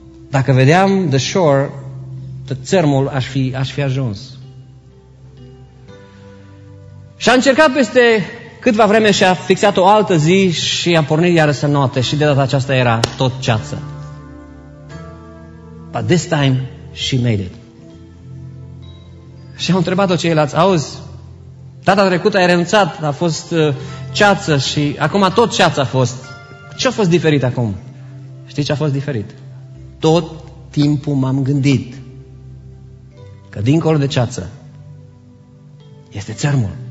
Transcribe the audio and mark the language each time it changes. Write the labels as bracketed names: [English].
[Romanian] Dacă vedeam [English] the shore, [Romanian] țărmul aș fi ajuns. Și a încercat peste câtva vreme și a fixat o altă zi și a pornit iară să note, și de data aceasta era tot ceață. [English] But this time she made it. [Romanian] Și au întrebat-o ceilalți, auzi, data trecută ai renunțat, a fost ceață și acum tot ceață a fost. Ce a fost diferit acum? Știi ce a fost diferit? Tot timpul m-am gândit că dincolo de ceață este țărmul.